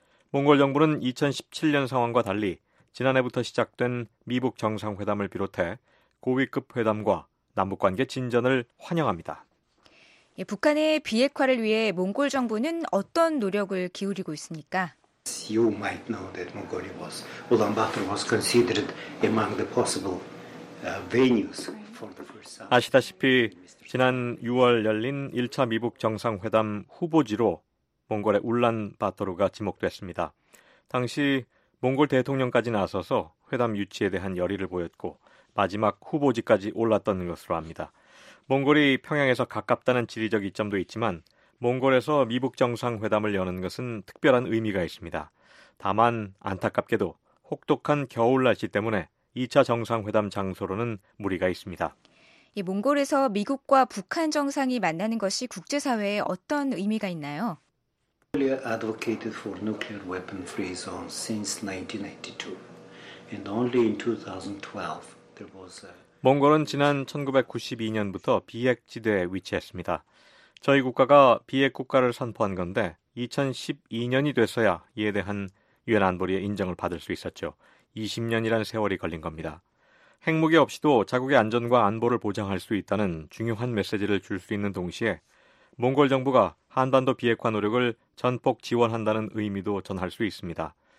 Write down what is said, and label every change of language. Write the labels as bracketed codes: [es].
[ko] 몽골 정부는 2017년 상황과 달리 지난해부터 시작된 미북 정상회담을 비롯해 고위급 회담과 남북관계 진전을 환영합니다. 예, 북한의 비핵화를 위해 몽골 정부는 어떤 노력을 기울이고 있습니까? [en] You might know that Mongolia was Ulaanbaatar was considered among the possible venues for the first time. [ko] 아시다시피 지난 6월 열린 1차 미북 정상회담 후보지로 몽골의 울란바토르가 지목됐습니다. 당시 몽골 대통령까지 나서서 회담 유치에 대한 열의를 보였고 마지막 후보지까지 올랐던 것으로 압니다. 몽골이 평양에서 가깝다는 지리적 이점도 있지만 몽골에서 미북 정상회담을 여는 것은 특별한 의미가 있습니다. 다만 안타깝게도 혹독한 겨울 날씨 때문에 2차 정상회담 장소로는 무리가 있습니다. 이 몽골에서 미국과 북한 정상이 만나는 것이 국제사회에 어떤 의미가 있나요? [en] Mongolia advocated for nuclear weapon free zone since 1992 and only in 2012 there was a [ko] 몽골은 지난 1992년부터 비핵지대에 위치했습니다. 저희 국가가 비핵국가를 선포한 건데 2012년이 돼서야 이에 대한 유엔 안보리의 인정을 받을 수 있었죠. 20년이란 세월이 걸린 겁니다. 핵무기 없이도 자국의 안전과 안보를 보장할 수 있다는 중요한 메시지를 줄 수 있는 동시에 몽골 정부가 한반도 비핵화 노력을 전폭 지원한다는 의미도 전할 수 있습니다.